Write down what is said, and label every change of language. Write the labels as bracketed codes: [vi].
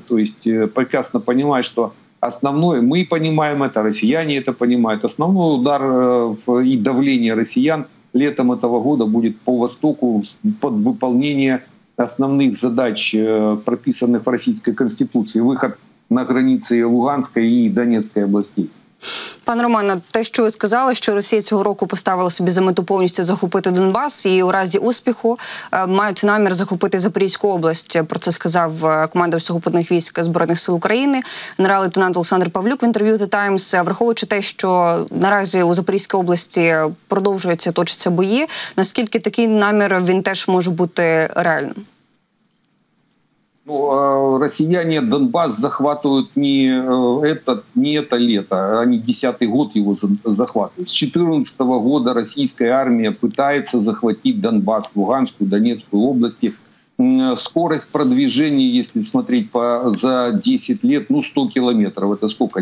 [ru] То есть прекрасно понимают, что основное, мы понимаем это, россияне это понимают, основной удар и давление россиян летом этого года будет по Востоку под выполнение основных задач, прописанных в Российской Конституции, выход на границы Луганской и Донецкой областей. [uk] Пан Романе, те, що ви сказали, що Росія цього року поставила собі за мету повністю захопити Донбас і у разі успіху мають намір захопити Запорізьку область. Про це сказав командувач Сухопутних військ Збройних сил України, генерал-лейтенант Олександр Павлюк в інтерв'ю The Times. Враховуючи те, що наразі у Запорізькій області продовжуються, точаться бої, наскільки такий намір він теж може бути реальним? [ru] Ну, россияне Донбасс захватывают не это лето, они 10-й год его захватывают. С 14-го года российская армия пытается захватить Донбасс, Луганскую, Донецкую области. Скорость продвижения, если смотреть за 10 лет, 100 километров, это сколько?